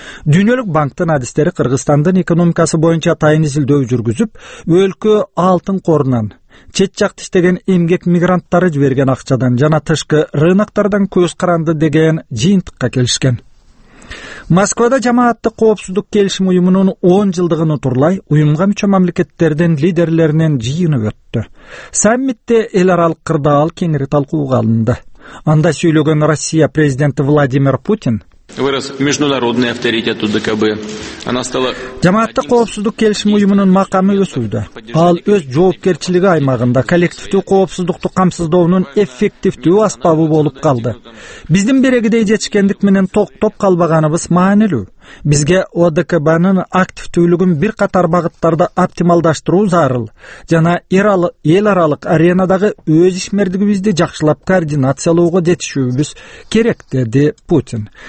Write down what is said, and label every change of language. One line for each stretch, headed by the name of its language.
Kyrgyz: Дүйнөлүк банктын адистери Кыргызстандын экономикасы боюнча тайын изилдөө жүргүзүп, өлкө алтын корунан чет жакта иштеген эмгек мигранттары жиберген акчадан жана тышкы рыноктардан көз каранды деген жыйынтыкка келишкен. Москвада жамааттык коопсуздук келишим уюмунун 10 жылдыгын утурлай уюмга мүчө мамлекеттердин лидерлеринин жыйыны өттү. Саммитте эл аралык кырдаал кеңири талкууга алынды. Анда сүйлөгөн Россия президенти Владимир Путин
Russian: вырос международный авторитет УДКБ. Она стала
Kyrgyz: жамааттык коопсуздук келишим уюмунун макамы өсүүдө. Ал өз жоопкерчилиги аймагында коллективдүү коопсуздукту камсыздоонун эффективдүү аспабы болуп калды. Биздин берегидей жетишкендик менен токтоп калбаганыбыз маанилүү. Бизге ОДКБнын активдүүлүгүн бир катар багыттарда оптималдаштыруу зарыл жана эл аралык аренадагы өз ишмердигибизди жакшылап координациялоого жетишүүбүз керек, деди Путин.